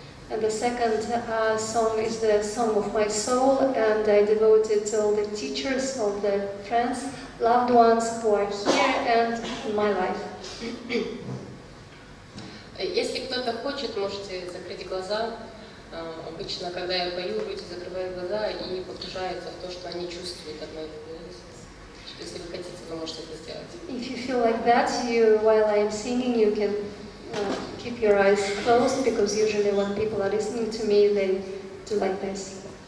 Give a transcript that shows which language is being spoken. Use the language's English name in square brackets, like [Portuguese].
[English] And the second song is the song of my soul, and I devote it to all the teachers, all the friends, loved ones who are here and in my life. [Russian] Если кто-то хочет, можете закрыть глаза. Обычно, когда я пою, люди закрывают глаза и погружаются в то, что они чувствуют от моих голосов. Если вы хотите, вы можете это сделать. [English] If you feel like that, you, while I'm singing, you can keep your eyes closed, because usually when people are listening to me, they do like this.